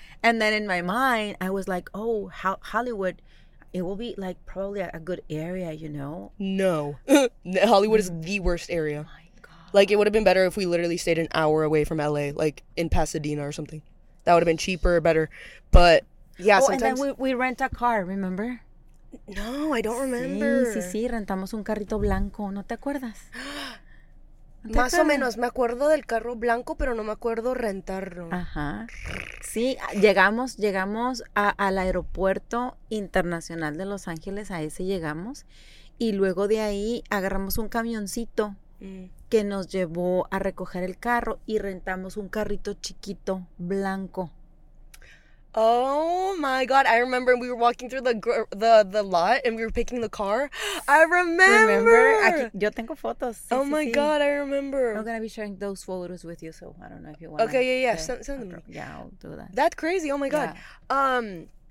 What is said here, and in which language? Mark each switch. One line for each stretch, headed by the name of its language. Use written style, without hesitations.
English: And then in my mind, I was like, oh, Hollywood, it will be, like, probably a good area, you know? No. Hollywood is the worst area. Like, it would have been better if we literally stayed an hour away from L.A., like, in Pasadena or something. That would have been cheaper or better. But, yeah, sometimes... Oh, and then we rent a car, remember? No, I don't remember.
Spanish: Sí, rentamos un carrito blanco. ¿No te acuerdas? Más o menos. Me acuerdo del carro blanco, pero no me acuerdo rentarlo. Ajá. Sí, llegamos al aeropuerto internacional de Los Ángeles. A ese llegamos. Y luego de ahí agarramos un camioncito. Que nos llevó a recoger el carro y rentamos un carrito chiquito blanco.
English: Oh my god, I remember we were walking through the lot and we were picking the car. I remember.
Spanish: Yo tengo fotos.
English: Sí, oh sí, my sí. God, I remember. I'm going to be sharing those photos with you, so I don't know if you want. Okay, yeah. Send them. Yeah, I'll do that. That's crazy. Oh my god. Yeah.